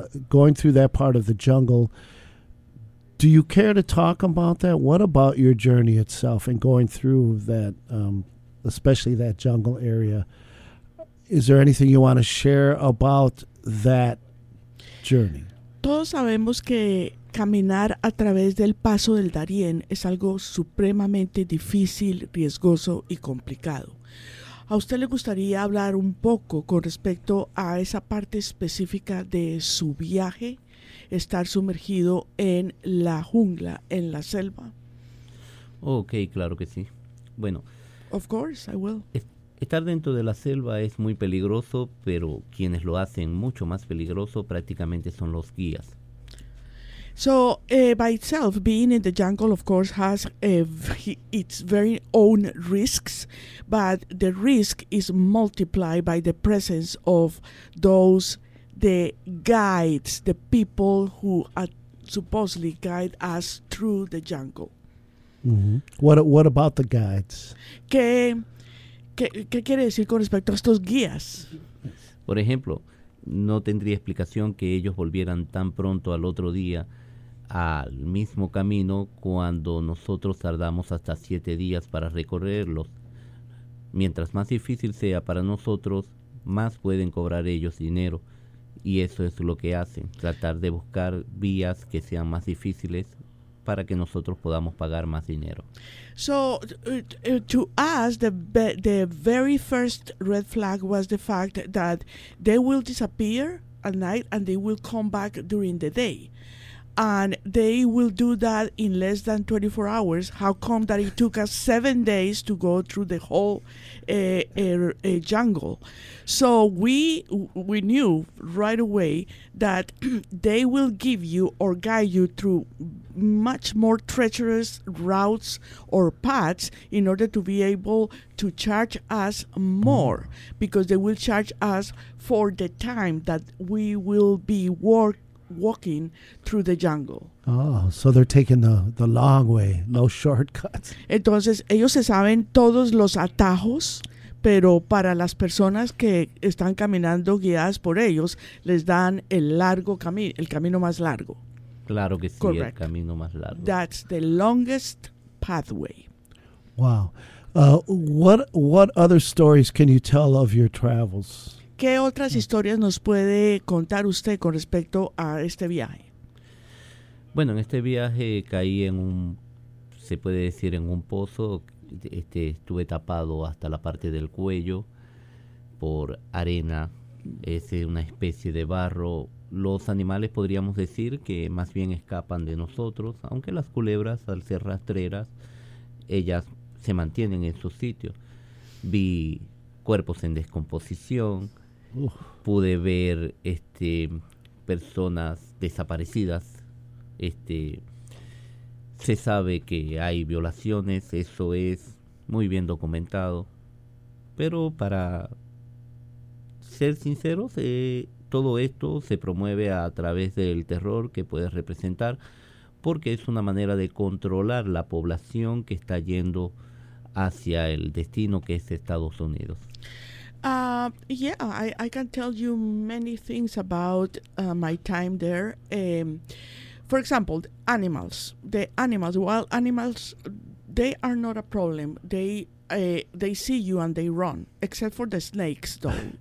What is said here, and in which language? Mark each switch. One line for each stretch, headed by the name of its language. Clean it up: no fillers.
English: Going through that part of the jungle, do you care to talk about that? What about your journey itself and going through that, especially that jungle area? Is there anything you want to share about that journey?
Spanish: Todos sabemos que caminar a través del paso del Darién es algo supremamente difícil, riesgoso y complicado. ¿A usted le gustaría hablar un poco con respecto a esa parte específica de su viaje, estar sumergido en la jungla, en la selva? Okay, claro que sí. Bueno.
English: Of course, I will.
Spanish: Estar dentro de la selva es muy peligroso, pero quienes lo hacen mucho más peligroso prácticamente son los guías.
English: So, by itself, being in the jungle, of course, has its very own risks, but the risk is multiplied by the presence of those, the guides, the people who supposedly guide us through the jungle. Mm-hmm. What about the guides?
Spanish: ¿Qué quiere decir con respecto a estos guías? Por ejemplo, no tendría explicación que ellos volvieran tan pronto al otro día al mismo camino cuando nosotros tardamos hasta 7 días para recorrerlos. Mientras más difícil sea para nosotros, más pueden cobrar ellos dinero. Y eso es lo que hacen, tratar de buscar vías que sean más difíciles para que nosotros podamos pagar más dinero.
English: So, to us, the very first red flag was the fact that they will disappear at night and they will come back during the day. And they will do that in less than 24 hours. How come that it took us 7 days to go through the whole jungle? So we knew right away that they will give you or guide you through much more treacherous routes or paths in order to be able to charge us more, because they will charge us for the time that we will be walking through the jungle. Oh, so they're taking the long way, no shortcuts.
Spanish: Entonces, ellos se saben todos los atajos, pero para las personas que están caminando guiadas por ellos, les dan el largo camino, el camino más largo. Claro que sí, correct. El camino más largo.
English: That's the longest pathway. Wow. What other stories can you tell of your travels?
Spanish: ¿Qué otras historias nos puede contar usted con respecto a este viaje? Bueno, en este viaje caí en un, se puede decir, en un pozo. Estuve tapado hasta la parte del cuello por arena. Es una especie de barro. Los animales podríamos decir que más bien escapan de nosotros, aunque las culebras, al ser rastreras, ellas se mantienen en su sitio. Vi cuerpos en descomposición. Pude ver personas desaparecidas. Se sabe que hay violaciones, eso es muy bien documentado. Pero para ser sinceros, todo esto se promueve a través del terror que puede representar, porque es una manera de controlar la población que está yendo hacia el destino que es Estados Unidos.
English: I can tell you many things about my time there. For example, the animals, wild animals, they are not a problem. They see you and they run, except for the snakes, though.